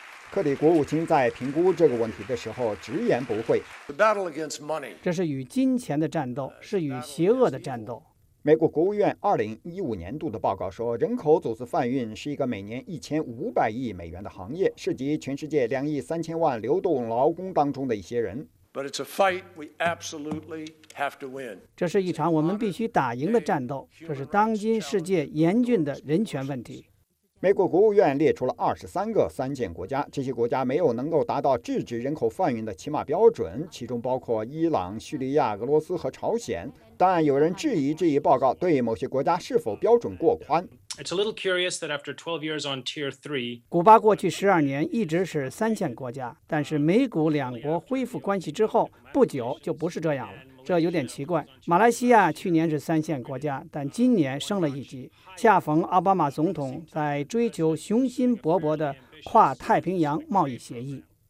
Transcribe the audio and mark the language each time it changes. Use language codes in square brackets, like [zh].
[zh] 克里国务卿在评估这个问题的时候直言不讳，这是与金钱的战斗，是与邪恶的战斗。美国国务院2015年度的报告说，人口组织贩运是一个每年1500亿美元的行业，涉及全世界2亿3000万流动劳工当中的一些人。 [en] But it's a fight we absolutely have to win. [zh] 这是一场我们必须打赢的战斗，这是当今世界严峻的人权问题。美国国务院列出了23个三线国家，这些国家没有能够达到制止人口贩运的起码标准，其中包括伊朗、叙利亚、俄罗斯和朝鲜。但有人质疑这一报告对某些国家是否标准过宽。 [en] It's a little curious that after 12 years on Tier 3, [zh] 古巴过去12年一直是三线国家，但是美古两国恢复关系之后不久就不是这样了，这有点奇怪。马来西亚去年是三线国家，但今年升了一级。恰逢奥巴马总统在追求雄心勃勃的跨太平洋贸易协议。